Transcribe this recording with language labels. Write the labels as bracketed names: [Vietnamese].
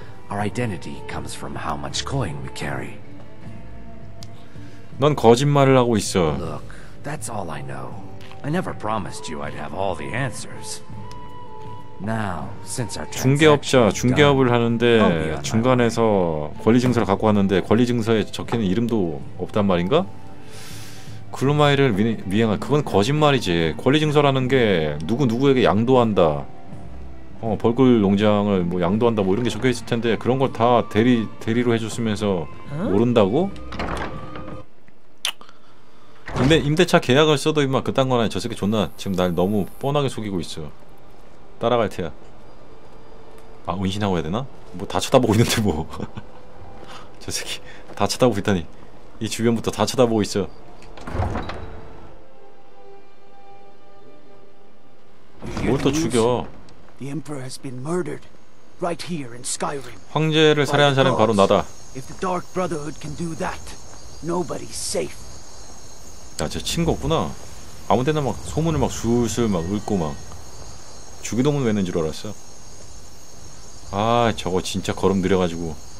[English] Our identity comes from how much coin we carry. [Korean] 넌 거짓말을 하고 있어. [English] Look, that's all I know. I never promised you I'd have all the answers. Now, since our [Korean] 중개업자 중개업을 하는데 중간에서 권리증서를 갖고 왔는데 권리증서에 적혀있는 이름도 없단 말인가? 글루마이를 미행한 그건 거짓말이지. 권리증서라는 게 누구 누구에게 양도한다. 벌굴 농장을 뭐 양도한다 뭐 이런 게 적혀 있을 텐데 그런 걸 다 대리로 해줬으면서 모른다고? 근데 임대차 계약을 써도 임마 그딴 거나 저 새끼 존나 지금 날 너무 뻔하게 속이고 있어. 따라갈 테야. 아 은신하고 해야 되나? 뭐 다 쳐다보고 있는데 뭐 저 새끼 다 쳐다보고 있다니 이 주변부터 다 쳐다보고 있어. 뭘 또 죽여? [English] The Emperor has been murdered right here in Skyrim. [Korean] 황제를 살해한 사람은 바로 나다. [English] If the Dark Brotherhood can do that, nobody's safe. [Korean] 야, 저 친구구나. 아무데나 막 소문을 막 술술 막 읊고 막 주기도문 외는 줄 알았어. 아, 저거 진짜 걸음 느려 가지고.